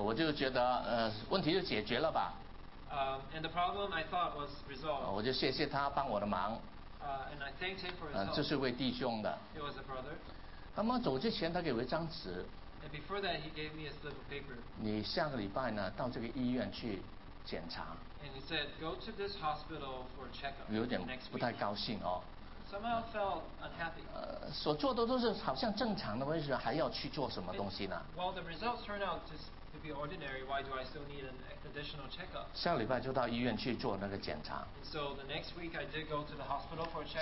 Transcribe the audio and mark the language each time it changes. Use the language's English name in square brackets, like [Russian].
[Chinese] 我就觉得问题就解决了吧 [English] and the problem I thought was resolved [Chinese] 我就谢谢他帮我的忙 [English] and I thanked him for his help [Chinese] 这是位弟兄的 [English] it was a brother [Chinese] 他们走之前他给我一张纸 [English] and before that he gave me a slip of paper [Chinese] 你下个礼拜呢到这个医院去检查 [English] and he said go to this hospital for a checkup [Chinese] 有点不太高兴哦 [English] somehow felt unhappy [Chinese] 所做的都是好像正常的为什么还要去做什么东西呢 [English] well the results turned out just to be ordinary why do I still need an additional checkup [Chinese] 下礼拜就到医院去做那个检查 [English] so the next week I did go to the hospital for a checkup